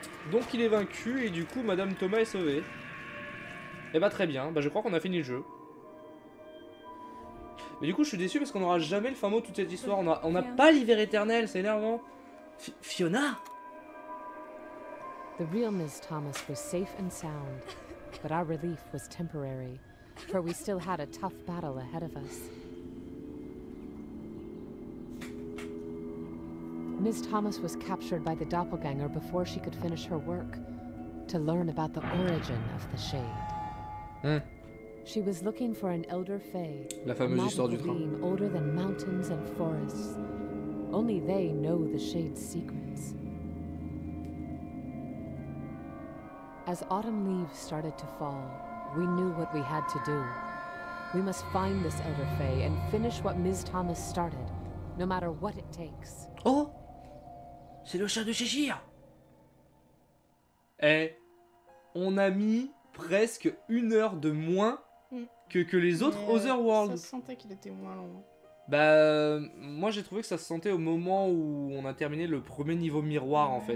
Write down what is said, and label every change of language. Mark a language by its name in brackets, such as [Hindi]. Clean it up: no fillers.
[French] Donc il est vaincu et du coup Madame Thomas est sauvée. Eh bah très bien, bah je crois qu'on a fini le jeu. Mais du coup je suis déçu parce qu'on aura jamais le fin mot de toute cette histoire. On a pas l'hiver éternel, c'est énervant. Fiona. [English] The real Miss Thomas was safe and sound, but our relief was temporary, for we still had a tough battle ahead of us. Miss Thomas was captured by the doppelganger before she could finish her work to learn about the origin of the shade. Hein? She was looking for an elder fae. [French] La fameuse histoire du train. [English] Older than mountains and forests. Only they know the shade's secrets. As autumn leaves started to fall, we knew what we had to do. We must find this elder fae and finish what Miss Thomas started, no matter what it takes. [French] Oh! C'est le chat de Cheshire. Eh, on a mis presque une heure de moins que les autres Otherworlds. Ça se sentait qu'il était moins long. Bah, moi j'ai trouvé que ça se sentait au moment où on a terminé le premier niveau miroir en fait.